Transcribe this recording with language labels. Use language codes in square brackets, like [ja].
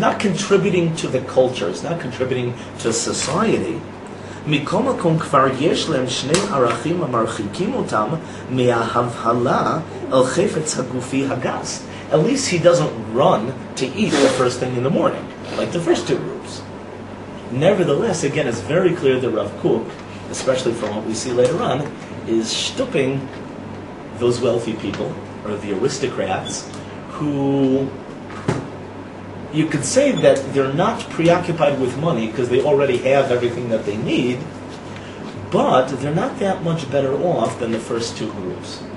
[en] not contributing to the culture. He's not contributing to society. [he] מקום מקום כבר יש להם שני ערכים המרחיקים אותם מההבהלה אל חפץ הגופי הגס. [en] At least he doesn't run to eat the first thing in the morning, like the first two groups. Nevertheless, again, it's very clear that Rav Kook, especially from what we see later on, is shtupping those wealthy people, or the aristocrats, who you could say that they're not preoccupied with money because they already have everything that they need, but they're not that much better off than the first two groups.